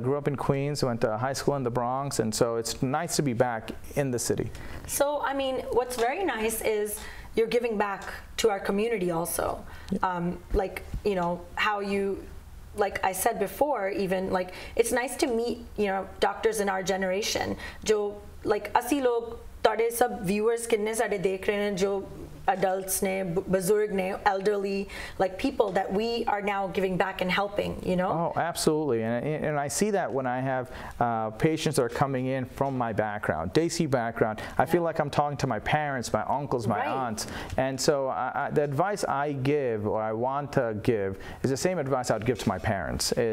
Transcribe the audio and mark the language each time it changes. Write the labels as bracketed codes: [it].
[en] Grew up in Queens, went to high school in the Bronx, and so it's nice to be back in the city. So, I mean, what's very nice is you're giving back to our community also. I said before, even it's nice to meet doctors in our generation. [pa] ਜੋ ਅਸੀ ਲੋਕ ਤੁਹਾਡੇ ਸਭ viewers ਕਿੰਨੇ ਸਾਡੇ ਦੇਖ ਰਹੇ ਹੈਂ, ਜੋ adults ਨੇ, ਬਜ਼ੁਰਗ ਨੇ, [en] elderly, people that we are now giving back and helping, Oh, absolutely. And I see that when I have patients that are coming in from my background, Desi background, I feel like I'm talking to my parents, my uncles, my aunts. And so the advice I give or I want to give is the same advice I'd give to my parents.